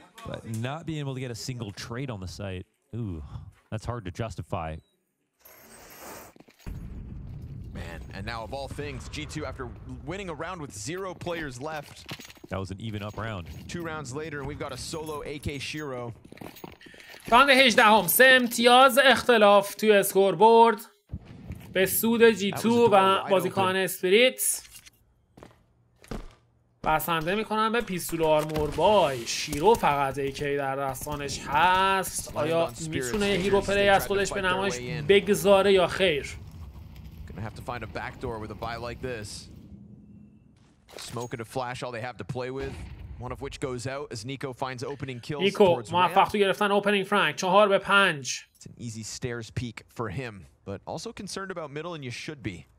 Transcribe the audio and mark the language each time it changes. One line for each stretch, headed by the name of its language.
English: But not being able to get a single trade on the site. Ooh, that's hard to justify. Man, and now of all things, G2 after winning a round with zero players left. That was an even up round. Two rounds later and we've got a solo AK Shiro.
Persian: راند 18 سه امتیاز اختلاف توی اسکوربورد. به سود جی تو و بازیکان اسپریت بسنده میکنم به پیستول و آرمور بای. شیرو فقط ایکی در دستانش هست. آیا میتونه یه هیرو پلی از خودش به نمایش بگذاره یا خیر؟
English: Gonna have to find a backdoor with a buy like this. Smoke and a flash, all they have to play with. One of which goes out as Nico finds opening kills.
Persian: Nico, موفق تو گرفتن opening frag. 4-5.
English: It's an easy stairs peak for him, but also concerned about middle, and you should be.